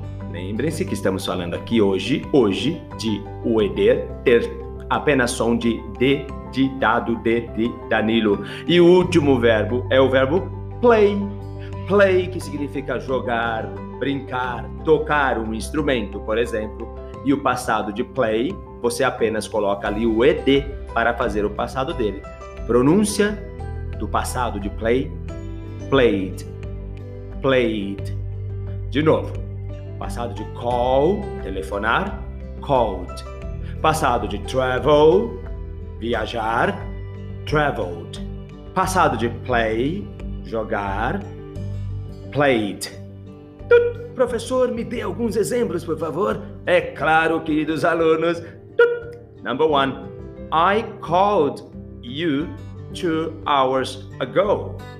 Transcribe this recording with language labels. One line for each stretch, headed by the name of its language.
Portuguese: Lembrem-se que estamos falando aqui hoje, de o ED ter apenas som de D, de dado, D, de Danilo. E o último verbo é o verbo play. Play, que significa jogar, brincar, tocar um instrumento, por exemplo. E o passado de play, você apenas coloca ali o ED para fazer o passado dele. Pronúncia do passado de play, played, played. De novo, passado de call, telefonar, called. Passado de travel, viajar, traveled. Passado de play, jogar, played. Tut. Professor, me dê alguns exemplos, por favor. É claro, queridos alunos. Tut.
English: Number one. I called you 2 hours ago.